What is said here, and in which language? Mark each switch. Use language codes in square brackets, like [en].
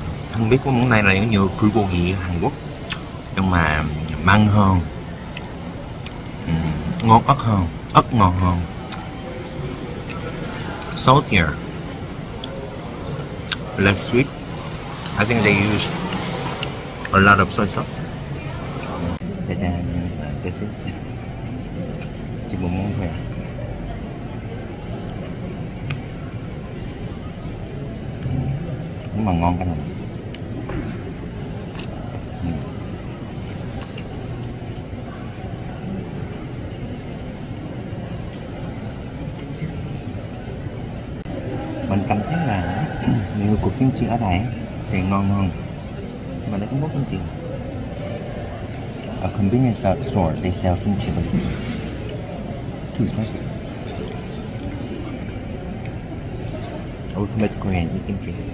[vi] Không biết có món này là những nhiều crew gì ở Hàn Quốc, nhưng mà mặn hơn, ngon ớt hơn, ớt ngon hơn, [en] saltier, less sweet. I think they use a lot of soy sauce. [vi] Chà chà, cái gì? Chỉ một món thôi. Nhưng mà ngon cái này. Mình cảm thấy là nhiều cục kim chi ở đây sẽ ngon hơn. Mà nó cũng có kim chi. [en] A convenience store, they sell kim chi, but it's too spicy. I would make Korean eat kim chi.